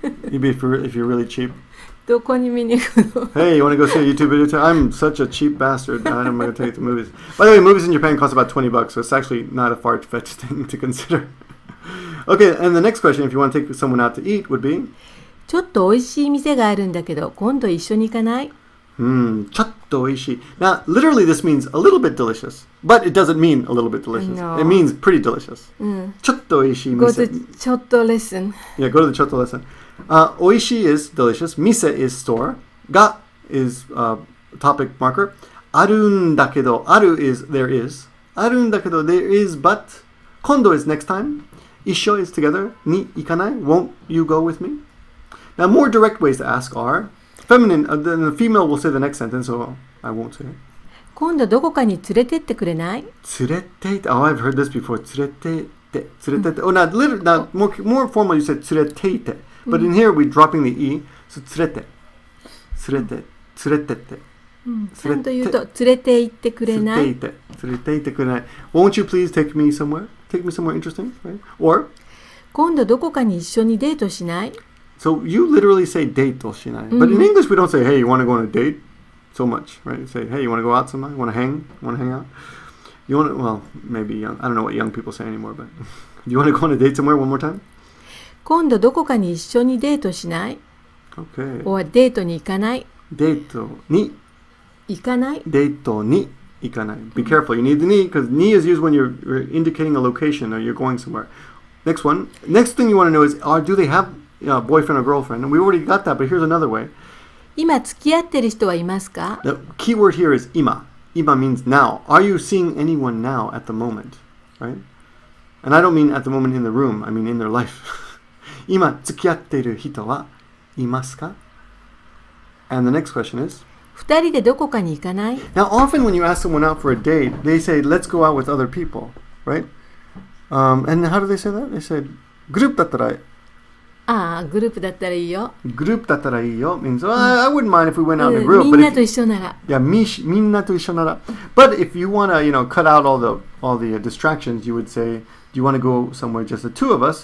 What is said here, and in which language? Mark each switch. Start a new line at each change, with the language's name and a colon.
English: Maybe if you're really cheap.
Japanese: どこに見に行くの?
English: Hey, you want to go see a YouTube video? I'm such a cheap bastard. I'm not going to take you to movies. By the way, movies in Japan cost about 20 bucks, so it's actually not a far-fetched thing to consider. Okay, and the next question, if you want to take someone out to eat, would be?
Japanese: ちょっと美味しい店があるんだけど、今度一緒に行かない? ちょっと美味しい。
English: Now, literally, this means a little bit delicious, but it doesn't mean a little bit delicious. It means pretty delicious.
Japanese: ちょっと美味しい店。
English: Go to
Japanese: ちょっとレッスン。
English: Yeah, go to the
Japanese: ちょっとレッスン。
English: Oishi is delicious. Mise is store. Ga is topic marker.
Japanese: Arun dakedo.
English: Aru is there is.
Japanese: Arun dakedo
English: there is but. Kondo is next time. Isho is together.
Japanese: Ni ikanai.
English: Won't you go with me? Now more direct ways to ask are. Feminine. Then the female will say the next sentence. So I won't say it.
Japanese: Kondo doko ka ni tsurete itte kurenai? Tsurete itte.
English: Oh, I've heard this before. Tsurete itte. Oh, now more formal you say tsurete itte. But in here, we're dropping the E. So,
Japanese: 連れて。連れて。連れてって。ちゃんと言うと、連れて行ってくれない。連れて行って。連れて行ってくれない。
English: Won't you please take me somewhere? Take me somewhere interesting, right? Or?
Japanese: 今度どこかに一緒にデートしない?
English: So, you literally say
Japanese: デートしない。
English: But in English, we don't say, hey, you want to go on a date so much, right? Say, hey, you want to go out somewhere? Want to hang? Want to hang out? You want to, well, maybe, young. I don't know what young people say anymore, but you want to go on a date somewhere one more time?
Japanese: 今度どこかに一緒にデートしない
English: Okay.
Japanese: Or デートに行かない。デートに行かない。デートに行かない。
English: Be careful. You need the ni because ni is used when you're indicating a location or you're going somewhere. Next one. Next thing you want to know is, do they have a boyfriend or girlfriend? And we already got that, but here's another way.
Japanese: 今付き合ってる人はいますか?
English: The key word here is 今.今 means now. Are you seeing anyone now at the moment? Right? And I don't mean at the moment in the room. I mean in their life.
Japanese: 今付き合っている人はいますか?
English: And the next question is
Japanese: 二人でどこかに行かない?
English: Now often when you ask someone out for a date, they say, let's go out with other people, right? And how do they say that? They say,
Japanese: グループだったらいい。ああ、グループだったらいいよ。グループだったらいいよ
English: means, I wouldn't mind if we went out in a group.
Japanese: みんなと一緒なら。いや、みんなと一緒なら。
English: But if you want to, you know, cut out all the distractions, you would say, do you want to go somewhere just the two of us?